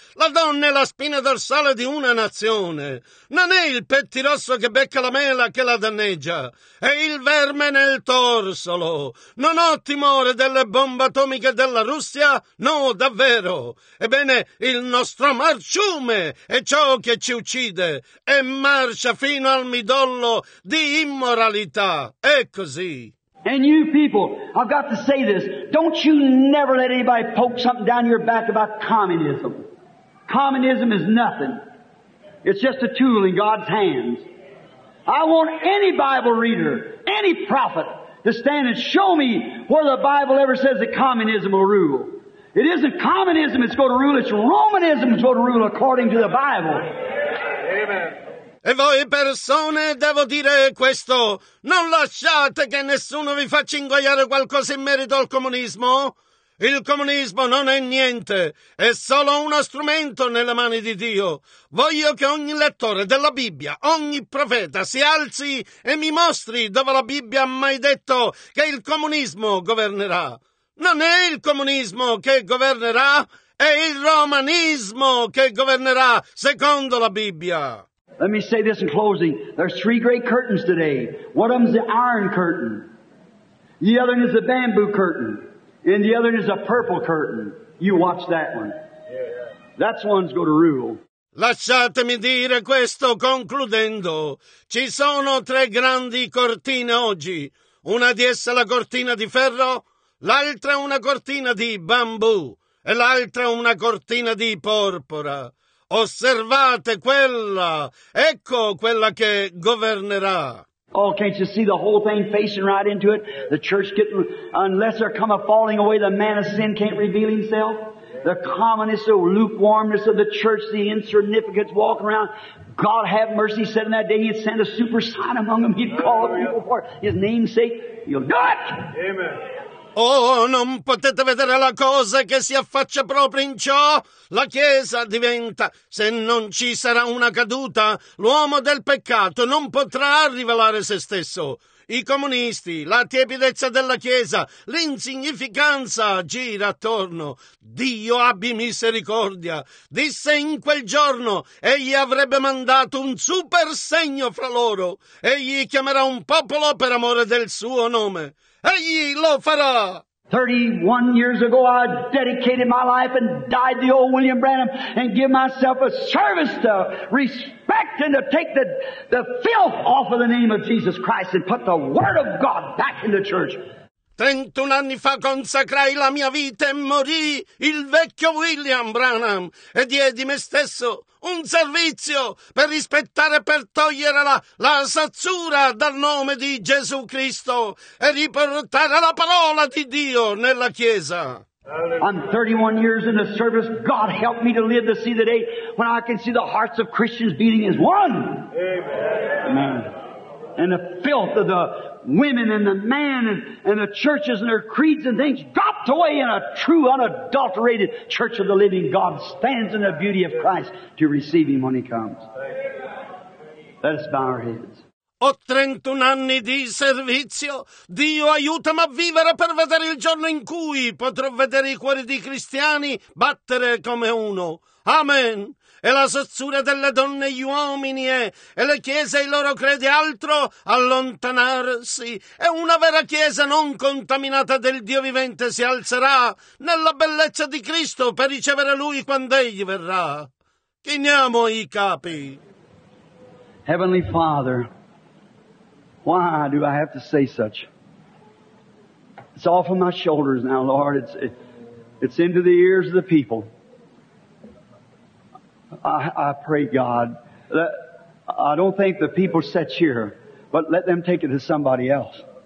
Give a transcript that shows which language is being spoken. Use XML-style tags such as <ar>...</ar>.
<it>La donna è la spina dorsale di una nazione. Non è il pettirosso che becca la mela che la danneggia, è il verme nel torsolo. Non ho timore delle bombe atomiche della Russia? No, davvero. Ebbene, il nostro marcio è ciò che ci uccide e marcia fino al midollo di immoralità. È così.</it> <en>And you people, I've got to say this, don't you never let anybody poke something down your back about communism. Communism is nothing. It's just a tool in God's hands. I want any Bible reader, any prophet to stand and show me where the Bible ever says that communism will rule. It isn't communism that's going to rule, it's Romanism that's going to rule according to the Bible. Amen.</en> <it>E voi persone, devo dire questo, non lasciate che nessuno vi faccia ingoiare qualcosa in merito al comunismo. Il comunismo non è niente, è solo uno strumento nelle mani di Dio. Voglio che ogni lettore della Bibbia, ogni profeta, si alzi e mi mostri dove la Bibbia ha mai detto che il comunismo governerà. Non è il comunismo che governerà, è il romanismo che governerà, secondo la Bibbia.</it> <en>Let me say this in closing. There's three great curtains today. One of them is the iron curtain. The other one is the bamboo curtain. And the other one is a purple curtain. You watch that one. That one's going to rule.</en> <it>Lasciatemi dire questo concludendo. Ci sono tre grandi cortine oggi. Una di esse è la cortina di ferro. L'altra è una cortina di bambù e l'altra è una cortina di porpora. Osservate quella. Ecco quella che governerà.</it> <en>Oh, can't you see the whole thing facing right into it? The church getting, unless there come a falling away, the man of sin can't reveal himself. The commonness, the lukewarmness of the church, the insignificance walking around. God have mercy, said in that day he'd send a super sign among them. He'd call people for his name's sake. You'll do it! Amen.</en> <it>Oh, non potete vedere la cosa che si affaccia proprio in ciò? La Chiesa diventa, se non ci sarà una caduta, l'uomo del peccato non potrà rivelare se stesso. I comunisti, la tiepidezza della Chiesa, l'insignificanza gira attorno. Dio abbi misericordia. Disse in quel giorno, egli avrebbe mandato un super segno fra loro. Egli chiamerà un popolo per amore del suo nome. Egli lo farà.</it> <en>31 years ago I dedicated my life and died the old William Branham and give myself a service to respect and to take the filth off of the name of Jesus Christ and put the word of God back in the church.</en> <it>31 anni fa consacrai la mia vita e morì il vecchio William Branham e diedi me stesso un servizio per rispettare e per togliere la sazzura dal nome di Gesù Cristo e riportare la parola di Dio nella Chiesa.</it> <en>I'm 31 years in the service. God help me to live to see the day when I can see the hearts of Christians beating as one. Amen. And the filth of the women and the men and the churches and their creeds and things dropped away in a true, unadulterated church of the living God stands in the beauty of Christ to receive Him when He comes. Let us bow our heads.</en> <it>Ho 31 anni di servizio. Dio aiutami a vivere per vedere il giorno in cui potrò vedere i cuori di cristiani battere come uno. Amen. E la sozzura delle donne e gli uomini e le chiese e i loro credi altro allontanarsi. E una vera chiesa non contaminata del Dio vivente si alzerà nella bellezza di Cristo per ricevere Lui quando Egli verrà. Chiniamo i capi.</it> <en>Heavenly Father, why do I have to say such? It's off of my shoulders now, Lord. It's into the ears of the people. I pray, God, that I don't think the people set here, but let them take it to somebody else.</en>